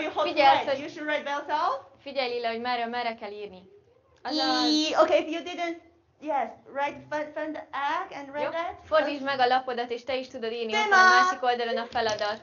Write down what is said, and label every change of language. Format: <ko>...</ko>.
<hu>Figyelj, Lila, hogy merre kell írni.</hu> <en>Okay, if you didn't, yes, find the egg and write that.</en> <hu>Fordítsd meg a lapodat, és te is tudod írni ott a másik oldalon a feladat.</hu>